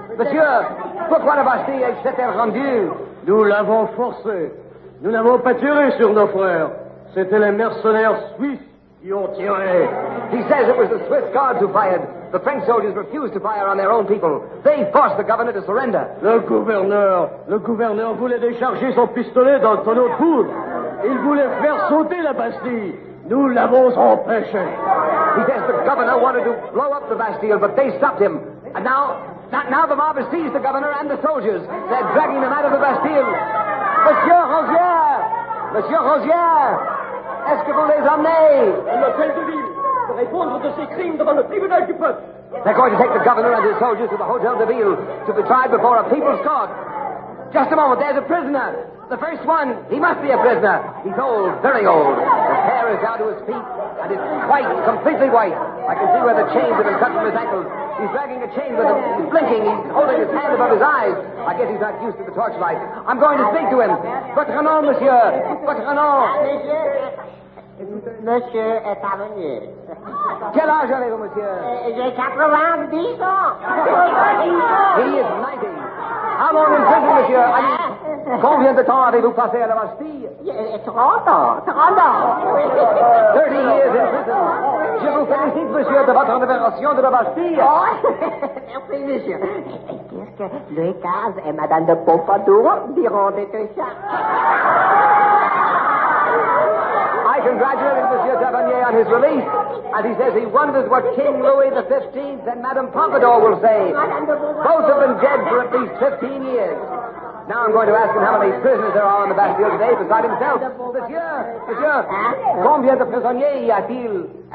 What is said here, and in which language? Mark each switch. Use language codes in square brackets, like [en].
[fr] Monsieur, pourquoi la Bastille s'est-elle rendue? Nous l'avons forcé. Nous n'avons pas tiré sur nos frères. C'était les mercenaires suisses. [en] He says it was the Swiss guards who fired. The French soldiers refused to fire on their own people. They forced the governor to surrender. [fr] Le gouverneur voulait décharger son pistolet dans le tonneau de poudre. Il voulait faire sauter la Bastille. Nous l'avons empêché. [en] He says the governor wanted to blow up the Bastille, but they stopped him. And now the mob has seized the governor and the soldiers. They're dragging them out of the Bastille. Monsieur Rosière! [fr] Monsieur Rosière! Est-ce que vous les emmenez? À l'hôtel de ville, pour répondre de ces crimes devant le tribunal du peuple. [en] They're going to take the governor and his soldiers to the Hotel de Ville to be tried before a people's court. Just a moment, there's a prisoner. The first one, he must be a prisoner. He's old, very old. His hair is down to his feet, and it's white, completely white. I can see where the chains have been cut from his ankles. He's dragging a chain with him. He's blinking. He's holding his hand above his eyes. I guess he's not used to the torchlight. I'm going to speak to him. [fr] Votre nom, monsieur. Votre nom. Monsieur est parvenu. Quel âge avez-vous, monsieur? J'ai 90 ans. [en] He is 90. How long in prison, monsieur? I mean, [fr] combien de temps avez-vous passé à la Bastille? 30 ans. [en] 30 years in prison. [fr] Je vous félicite, monsieur, de votre libération de la Bastille. Oh, merci, monsieur. Et qu'est-ce que Louis XV et Madame de Pompadour diront de tout ça? [en] Congratulating Monsieur Tavernier on his release, and he says he wonders what King Louis XV and Madame Pompadour will say. Both have been dead for at least 15 years. Now I'm going to ask him how many prisoners there are on the Bastille today beside himself. [fr] Monsieur, combien de prisonniers y a-t-il?